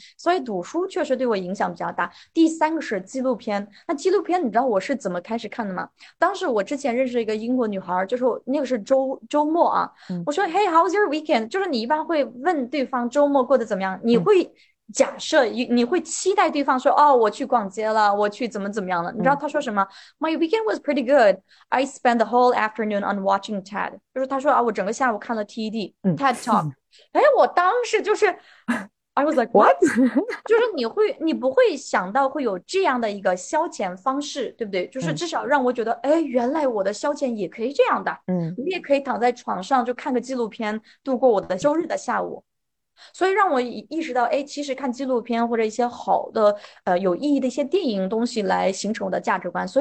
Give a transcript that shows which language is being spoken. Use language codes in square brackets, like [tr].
[zh] 所以读书确实对我影响比较大。第三个是纪录片，那纪录片你知道我是怎么开始看的吗？当时我之前认识一个英国女孩，就是那个是周末啊，我说 [en] Hey, how's your weekend？ [zh] 就是你一般会问对方周末过得怎么样，你会假设你会期待对方说哦，我去逛街了，我去怎么怎么样了？你知道他说什么？ [en] My weekend was pretty good. I spent the whole afternoon on watching TED。 [zh] 就是他说啊，我整个下午看了 TED TED Talk。哎，我当时就是， [en] I was like what？ [zh] 就是你不会想到会有这样的一个消遣方式，对不对？就是至少让我觉得，哎，原来我的消遣也可以这样的，我也可以躺在床上就看个纪录片，度过我的周日的下午。所以让我意识到，哎，其实看纪录片或者一些好的、有意义的一些电影东西来形成我的价值观。